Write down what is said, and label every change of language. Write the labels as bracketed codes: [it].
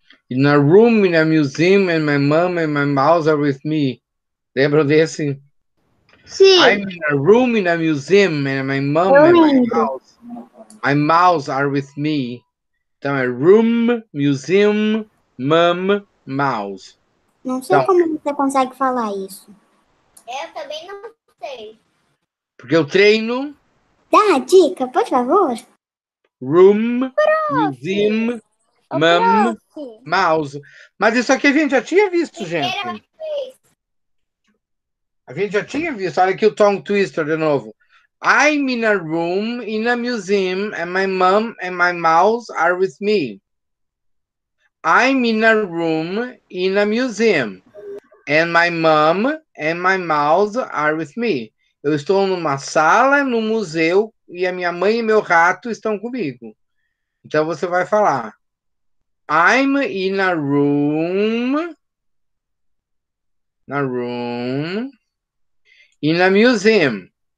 [en] In a room, in a museum, and my mom and my mouse are with me. [pt] Lembram desse? Sim. [en] I'm in a room in a museum and my mom and my mouse are with me. [pt] Então é [en] room, museum, mom, mouse. [pt] Não sei então, como você consegue falar isso. Eu também não sei. Porque eu treino. Dá a dica, por favor. [en] Room, museum, mom, mouse. [pt] Mas isso aqui a gente já tinha visto, gente. A gente já tinha visto. Olha aqui o tongue twister de novo. [en] I'm in a room in a museum and my mom and my mouse are with me. I'm in a room in a museum and my mom and my mouse are with me. [pt] Eu estou numa sala, no museu, e a minha mãe e meu rato estão comigo. Então você vai falar. [en] I'm in a room. Na room. In a museum.